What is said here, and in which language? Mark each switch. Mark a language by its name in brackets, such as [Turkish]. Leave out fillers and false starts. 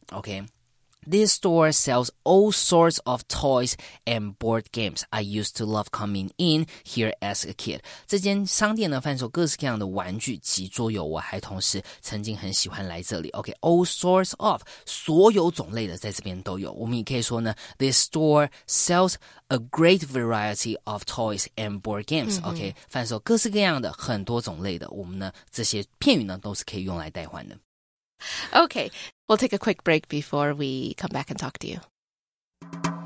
[English] OK, this store sells all sorts of toys and board games. I used to love coming in here as a kid. [Chinese] 这间商店呢贩售各式各样的玩具及桌游，我还同时曾经很喜欢来这里。 OK, [English] all sorts of, [Chinese] 所有种类的在这边都有。我们也可以说呢 [English] this store sells a great variety of toys and board games. [Chinese] OK, 贩售各式各样的很多种类的，我们呢这些片语呢都是可以用来代换的。 [English] Okay, we'll take a quick break before we come back and talk to you.